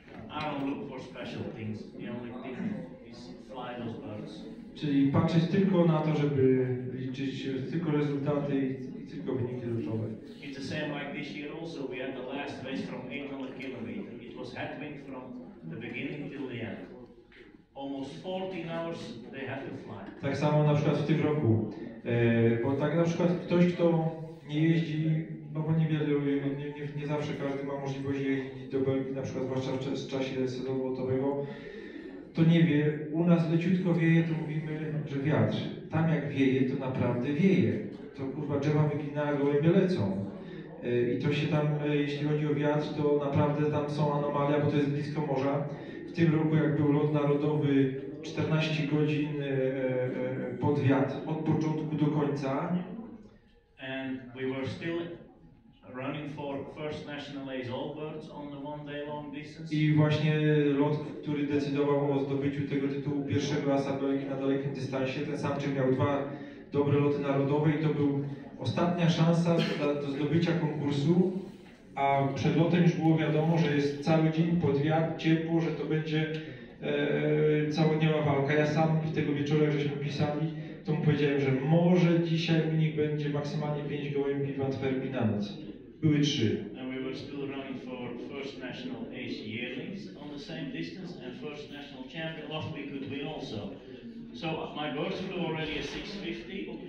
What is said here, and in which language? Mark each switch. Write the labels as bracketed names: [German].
[English] I don't look for special things. The only thing is fly those birds. [Polish] Czyli patrzeć tylko na to, żeby liczyć tylko rezultaty i tylko wyniki lotowe. [English] It's the same like this year also. We had the last race from 800 km. It was headwind from the beginning till the end. Almost 14 hours they had to fly. [Polish] Tak samo na przykład w tym roku. Bo tak na przykład ktoś, kto nie jeździ. No bo nie zawsze każdy ma możliwość jeździć do Belgii, na przykład zwłaszcza w czasie sezonu lotowego, to nie wie, u nas leciutko wieje, to mówimy, że wiatr. Tam jak wieje, to naprawdę wieje. To kurwa drzewa wygina, gołębie lecą. I to się tam, jeśli chodzi o wiatr, to naprawdę tam są anomalia, bo to jest blisko morza. W tym roku jak był lot narodowy, 14 godzin pod wiatr, od początku do końca. [English] And we were still running for first national ace all birds on the one day long distance. [Polish] I właśnie lot, który decydował o zdobyciu tego tytułu pierwszego asa Belgii na dalekim dystansie, ten sam, czy miał 2 dobre loty narodowe i to był ostatnia szansa do zdobycia konkursu, a przed lotem już było wiadomo, że jest cały dzień pod wiatr, ciepło, że to będzie całodniowa walka. Ja sam w tego wieczora, żeśmy pisali, to mu powiedziałem, że może dzisiaj wynik będzie maksymalnie 5 gołębi w Antwerpii na noc. Były 3. [English] And we were still running for first national ace yearlings on the same distance and first national champion last week could win also. So my birds flew already at 6:50.